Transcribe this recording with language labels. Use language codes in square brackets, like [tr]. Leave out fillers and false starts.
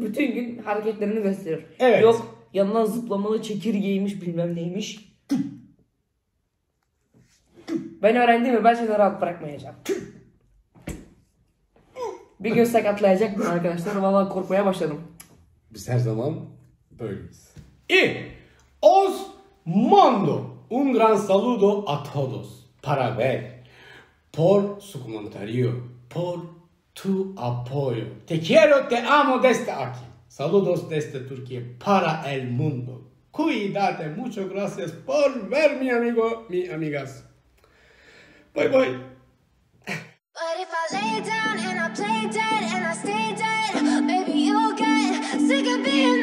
[tr] Bütün gün hareketlerini gösterir. Evet. Yok yanından zıplamalı çekirgeymiş bilmem neymiş. Ben öğrendim mi? Ben seni rahat bırakmayacağım. Bir gün sakatlayacak mı arkadaşlar? Valla korkmaya başladım. Biz her zaman böyleyiz. [es] İ os mando un gran saludo a todos para ver por su comentario por tu apoyo. Te quiero, te amo desde aquí. Saludos desde Turquía para el mundo. Cuídate, muchas gracias por ver mi amigo, mi amigas. Bye bye. [en] But if I lay down and I play dead and I stay dead, maybe you'll get sick of being